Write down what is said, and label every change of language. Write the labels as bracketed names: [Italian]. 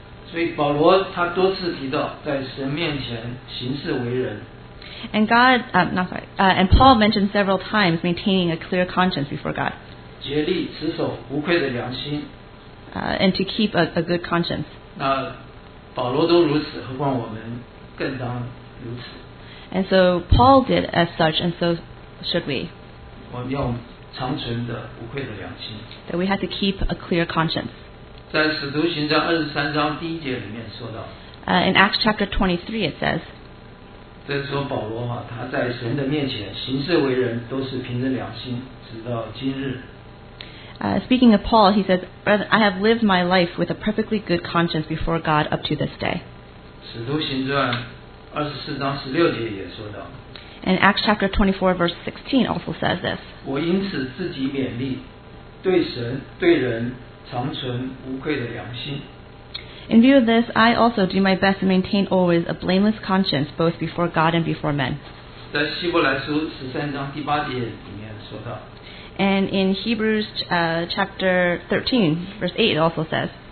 [Chinese] 所以保罗他多次提到在神面前行事为人。 [English] And God, not sorry, and Paul mentioned several times maintaining a clear conscience before God. [Chinese] 竭力持守无愧的良心。 [English] And to keep a good conscience. [Chinese] 那保罗都如此，何况我们更当如此。 [English] And so Paul did as such, and so should we. [Chinese] 我们要长存的无愧的良心。 [English] That we have to keep a clear conscience. [Chinese] 在使徒行传二十三章第一节里面说到。 [English] In Acts chapter 23 it says. [Chinese] 这是说保罗啊，他在神的面前行事为人都是凭着良心，直到今日。 [English] Speaking of Paul, he says, I have lived my life with a perfectly good conscience before God up to this day. [Chinese] 使徒行传二十四章十六节也说到。 [English] And Acts chapter 24, verse 16 also says this. [Chinese] 我因此自己勉励，对神对人长存无愧的良心。 [English] In view of this, I also do my best to maintain always a blameless conscience both before God and before men. [Chinese] 在希伯来书十三章第八节里面说到。 [English] And in Hebrews chapter 13, verse 8 it also says.